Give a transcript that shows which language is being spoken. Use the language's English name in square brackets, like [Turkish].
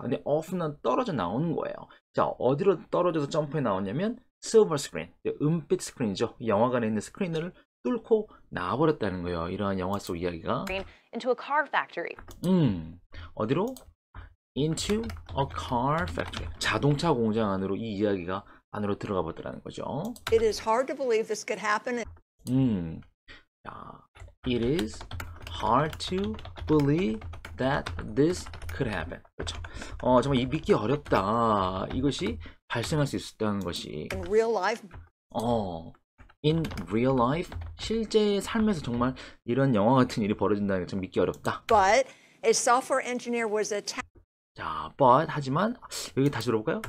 [Korean] 근데 off는 떨어져 나오는 거예요. 자, 어디로 떨어져서 점프에 나왔냐면 silver screen, 은빛 스크린이죠. 영화관에 있는 스크린을 뚫고 나와버렸다는 거예요. 이러한 영화 속 이야기가. [English] Into a car factory. [Korean] 어디로? [English] Into a car factory. [Korean] 자동차 공장 안으로 이 이야기가 안으로 들어가 버렸다는 거죠. [English] It is hard to believe this could happen. 자, it is hard to believe that this could happen. [Korean] 그렇죠. 정말 이 믿기 어렵다. 이것이 발생할 수 있었다는 것이. [English] In real life. In real life. [Korean] 실제 삶에서 정말 이런 영화 같은 일이 벌어진다는 게 좀 믿기 어렵다. [English] But a software engineer was attacked. [Korean] 자, but 하지만 여기 다시 들어볼까요?